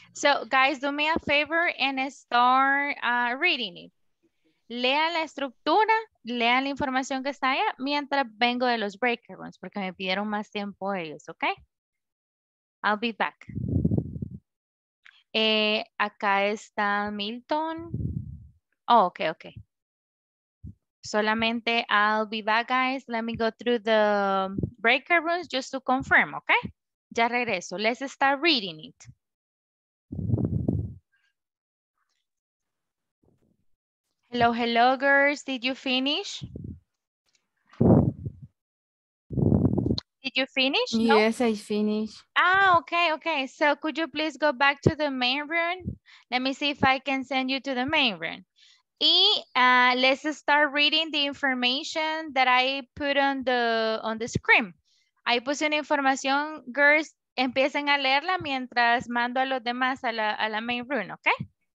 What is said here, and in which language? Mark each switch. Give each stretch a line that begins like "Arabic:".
English: So, guys, do me a favor and start reading it.
Spanish: Lean la estructura, lean la información que está allá mientras vengo de los breakout rooms porque me pidieron más tiempo ellos, ¿ok?
English: I'll be back.
Spanish: Acá está Milton. Oh, ok, ok.
English: Solamente I'll be back, guys. Let me go through the breakout rooms just to confirm, ¿ok?
Spanish: Ya regreso.
English: Let's start reading it. Hello, hello, girls. Did you finish? Did you finish? Yes, no? I finished. Ah, okay, okay. So could you please go back to the main room? Let me see if I can send you to the main room. Let's start reading the information that I put on the screen.
Spanish: Ahí puse una información,
English: girls.
Spanish: Empiecen a leerla mientras mando a los demás a la main room, okay?